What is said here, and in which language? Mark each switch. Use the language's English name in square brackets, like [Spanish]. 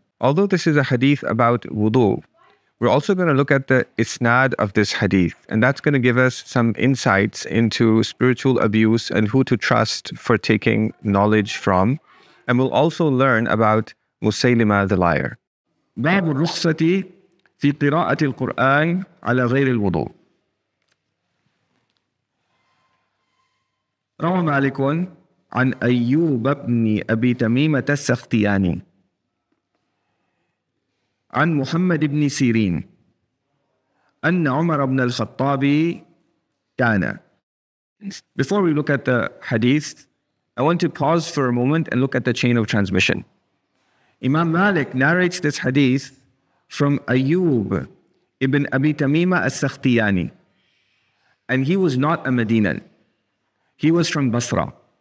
[English] Although this is a hadith about wudu, we're also going to look at the isnad of this hadith, and that's going to give us some insights into spiritual abuse and who to trust for taking knowledge from. And we'll also learn about Musaylima the liar. [Arabic] باب الرخصة في قراءة القرآن على غير الوضوء. روى مالك عن أيوب بن أبي تميمة السختياني عن محمد بن سيرين أن عمر بن الخطاب كان. [English] Before we look at the hadith, I want to pause for a moment and look at the chain of transmission. Imam Malik narrates this hadith from Ayyūb ibn Abī Tamīmah al-Sakhtiyānī. And he was not a Medinan. He was from Basra.